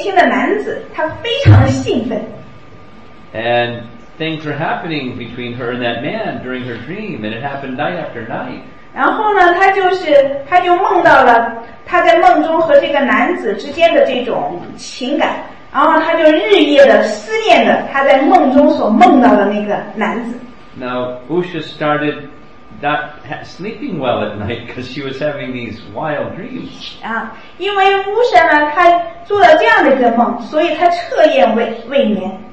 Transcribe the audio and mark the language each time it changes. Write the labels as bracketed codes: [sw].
[zh] 那么呢,就是她梦到了一个年轻的男子,她非常的兴奋。 [en] And things were happening between her and that man during her dream, and it happened night after night. [zh] 然后呢,她就梦到了她在梦中和这个男子之间的这种情感,然后她就日夜的思念着她在梦中所梦到的那个男子。 [en] Now, Usha started not sleeping well at night because she was having these wild dreams. [zh] 因为Usha呢,她做了这样的一个梦,所以她彻夜未眠。